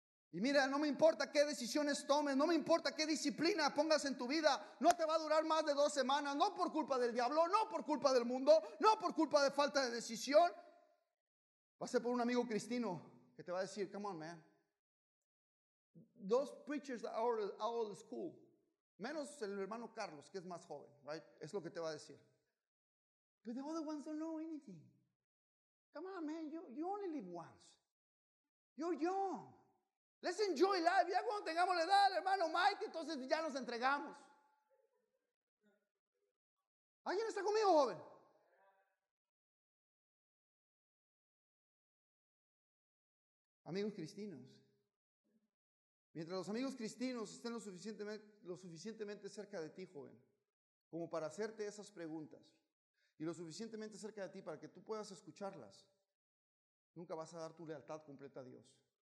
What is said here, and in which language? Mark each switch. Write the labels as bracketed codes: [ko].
[es] Y mira, no me importa qué decisiones tomes, no me importa qué disciplina pongas en tu vida, no te va a durar más de 2 semanas, no por culpa del diablo, no por culpa del mundo, no por culpa de falta de decisión. Va a ser por un amigo cristino que te va a decir, [en] come on, man. Those preachers are out of school. [es] Menos el hermano Carlos, que es más joven, right? Es lo que te va a decir. [en] But the other ones don't know anything. Come on, man, you only live once. You're young. Let's enjoy life. [es] Ya cuando tengamos la edad, hermano Mike, entonces ya nos entregamos. ¿Alguien está conmigo, joven? Amigos cristinos. Mientras los amigos cristinos estén lo suficientemente cerca de ti, joven, como para hacerte esas preguntas, y lo suficientemente cerca de ti para que tú puedas escucharlas, nunca vas a dar tu lealtad completa a Dios.